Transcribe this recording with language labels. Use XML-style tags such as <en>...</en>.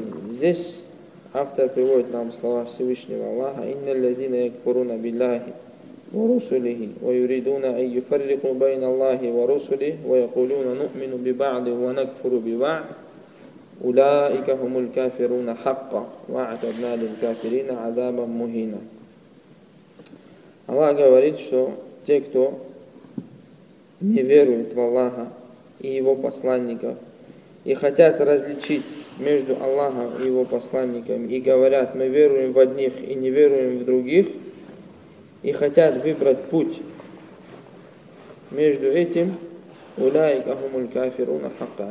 <ru>Здесь автор приводит нам слова Всевышнего Аллаха:</ru> <ar>«Инна ладзина якфуруна биллахи». ورسله ويريدون أن يفرقوا بين الله ورسله ويقولون نؤمن ببعض ونكفر ببعض أولئك هم الكافرون حقا وأعتدنا للكافرين عذابا مهينا.</ar> <ru>Аллах говорит, что те, кто не верует в Аллаха и Его посланников и хотят различить между Аллахом и Его посланниками и говорят: мы веруем в одних и не веруем в других, и хотят выбрать путь между этим,</ru> <ar>«Улайка хумуль кафируна хакка».</ar>